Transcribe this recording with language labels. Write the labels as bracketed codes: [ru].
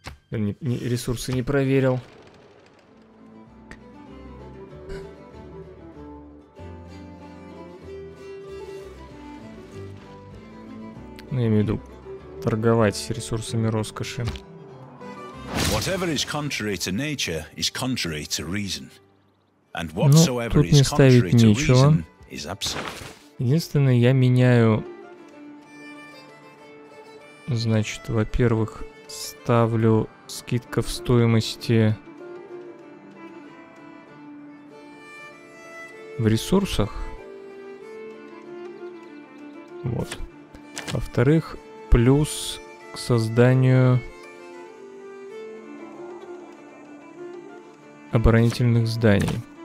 [ru] Ресурсы не проверил. Ну, я имею в виду торговать ресурсами роскоши. [en] Whatever is contrary to nature is contrary to reason. And whatsoever is contrary to reason is absurd. [ru] Единственное, я меняю. Значит, во-первых, ставлю скидка в стоимости в ресурсах. Вот. Во-вторых, плюс к созданию оборонительных зданий.